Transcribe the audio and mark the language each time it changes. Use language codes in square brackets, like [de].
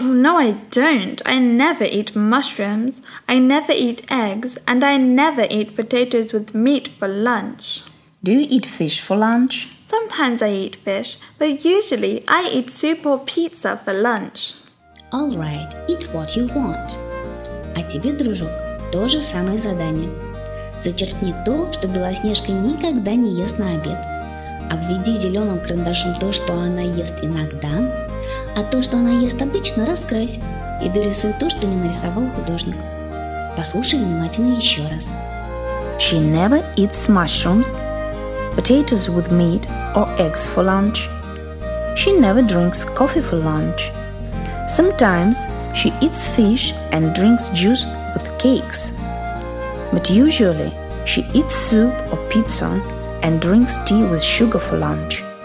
[en] No, I don't. I never eat mushrooms. I never eat eggs, and I never eat potatoes with meat for lunch. Do you eat fish for lunch? Sometimes I eat fish, but usually I eat soup or pizza for lunch. All right, eat what you want. [ru] А тебе, дружок, то же самое задание. Зачеркни то, что Белоснежка никогда не ест на обед. Обведи зеленым карандашом то, что она ест иногда, а то, что она ест обычно, раскрась и дорисуй то, что не нарисовал художник. Послушай внимательно еще раз. [en] She never eats mushrooms, potatoes with meat or eggs for lunch. She never drinks coffee for lunch. Sometimes she eats fish and drinks juice with cakes. But usually she eats soup or pizza and drinks tea with sugar for lunch.